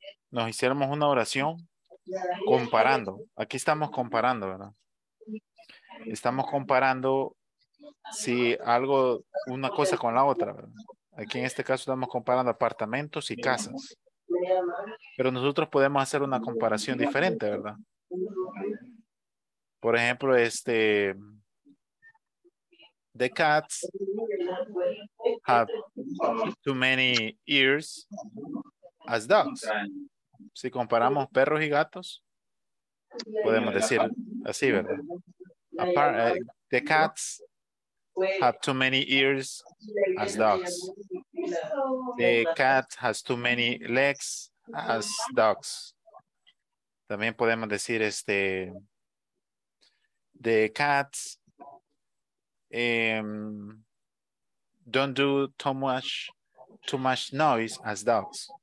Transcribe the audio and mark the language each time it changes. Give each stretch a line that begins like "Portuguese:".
Spanish: Nos hiciéramos una oración comparando. Aquí estamos comparando, ¿verdad? Estamos comparando si algo, una cosa con la otra, ¿verdad? Aquí en este caso estamos comparando apartamentos y casas. Pero nosotros podemos hacer una comparación diferente, ¿verdad? Por ejemplo,
English: the cats have too many ears as dogs.
Spanish: Si comparamos perros y gatos, podemos decir así, ¿verdad?
English: The cats have too many ears as dogs. The cat has too many legs as dogs.
Spanish: También podemos decir
English: the cats don't do too much noise as dogs.